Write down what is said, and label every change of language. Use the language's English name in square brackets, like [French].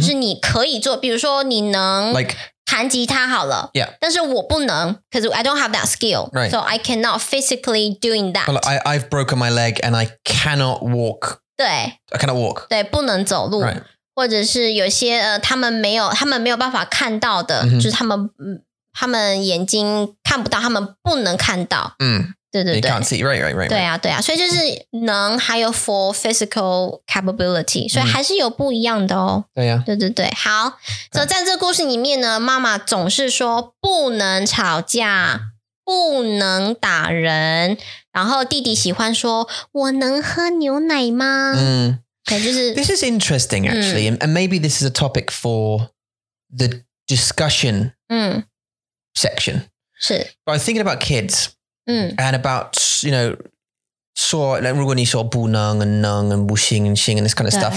[Chinese] 就是你可以做比如说你能弹吉他好了 [English] like, yeah. [Chinese] 但是我不能 [English] because I don't have that skill,、 right. so I cannot physically doing that. Well, I've broken my leg and I cannot walk. [Chinese] 对 [English] I cannot walk. [Chinese] 对不能走路、 [English] right. [Chinese] 或者是有些、他们没有办法看到的、 mm-hmm. 就是他们眼睛看不到他们不能看到。嗯、mm. 对对对 [English] you can't see, right. [Chinese] 对啊对啊所以就是能还有 [English] for physical capability, [Chinese] 所以还是有不一样的哦。嗯、对啊对对对好。所、okay. 以在这个故事里面呢妈妈总是说不能吵架不能打人然后弟弟喜欢说我能喝牛奶吗嗯对就是。 [English] This is interesting, actually,、嗯、and maybe this is a topic for the discussion、嗯、 section. [Chinese] 是。 [English] But I'm thinking about kids. Mm. And about, you know, so, like, [Chinese] 如果你说不能 [English] and 能 and 不行and 行 and this kind of stuff.